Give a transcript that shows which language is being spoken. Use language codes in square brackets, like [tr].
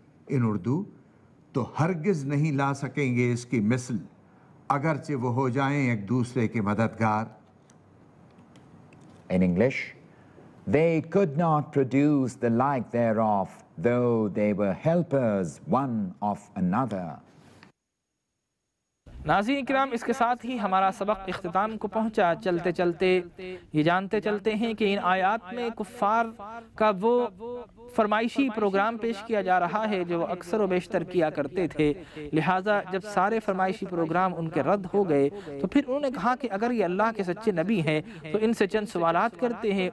[en] In Urdu, [ur] تو ہرگز نہیں لا سکیں گے اس کی مثل اگرچہ وہ ہو جائیں ایک دوسرے کے مددگار. [en] In English, they could not produce the like thereof, though they were helpers one of another. [ur] ناظرین اکرام, اس کے ساتھ ہی ہمارا سبق اختتام کو پہنچا. چلتے چلتے یہ جانتے چلتے ہیں کہ ان آیات میں کفار کا وہ فرمائشی پروگرام پیش کیا جا رہا ہے جو وہ اکثر و بیشتر کیا کرتے تھے. لہٰذا جب سارے فرمائشی پروگرام ان کے رد ہو گئے تو پھر انہوں نے کہا کہ اگر یہ اللہ کے سچے نبی ہیں تو ان سے چند سوالات کرتے ہیں.